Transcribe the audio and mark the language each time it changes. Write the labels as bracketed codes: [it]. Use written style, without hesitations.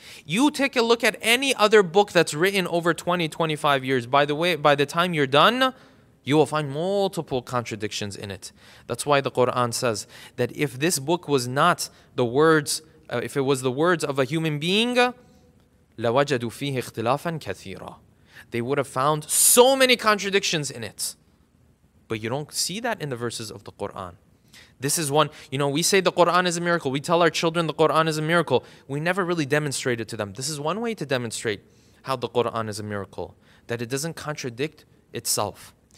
[en] You take a look at any other book that's written over 20, 25 years. By the way, by the time you're done, you will find multiple contradictions in it. That's why the Quran says that if this book was not the words, if it was the words of a human being, [ar] لوجدوا فيه اختلافا كثيرا. [en] They would have found so many contradictions in it. But you don't see that in the verses of the Quran. This is one, you know, we say the Quran is a miracle. We tell our children the Quran is a miracle. We never really demonstrate it to them. This is one way to demonstrate how the Quran is a miracle, that it doesn't contradict itself.